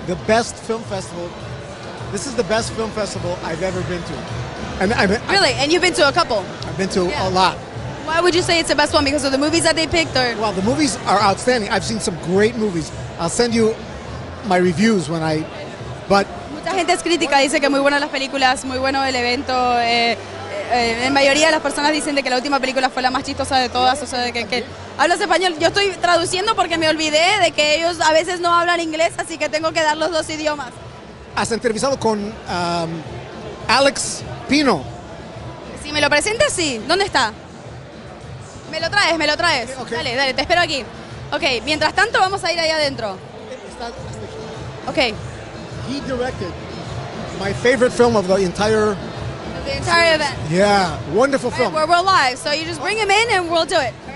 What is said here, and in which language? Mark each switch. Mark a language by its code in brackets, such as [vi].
[en] The best film festival, this is the best film festival I've ever been to. And you've been to a couple? I've been to a lot. Why would you say it's the best one, because of the movies that they picked? Or? Well, the movies are outstanding. I've seen some great movies. I'll send you my reviews when I, but [es] mucha gente es crítica, dice que muy buenas las películas, muy bueno el evento. En mayoría de las personas dicen de que la última película fue la más chistosa de todas, o sea, de que Hablas español. Yo estoy traduciendo porque me olvidé de que ellos a veces no hablan inglés, así que tengo que dar los dos idiomas. Has entrevistado con Alex Pino. Si me lo presentas, sí. ¿Dónde está? Me lo traes, me lo traes. [en] Okay. [es] Dale, dale, te espero aquí. Ok, mientras tanto vamos a ir ahí adentro. [en] Ok. He directed my favorite film of the entire event. Yeah, wonderful film. Right, we're live, so you just bring him in and we'll do it.